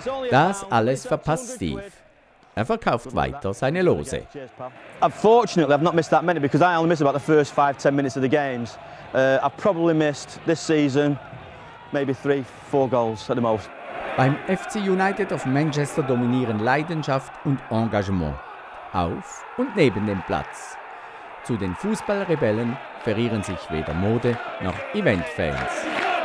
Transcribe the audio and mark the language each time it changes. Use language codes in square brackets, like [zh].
[de] Das alles verpasst Steve. Er verkauft weiter seine Lose. [en] Unfortunately, I've not missed that many because I only miss about the first 5-10 minutes of the games. I've probably missed this season maybe 3-4 goals at the most. [de] Beim FC United of Manchester dominieren Leidenschaft und Engagement auf und neben dem Platz. Zu den Fußballrebellen verirren sich weder Mode noch Eventfans.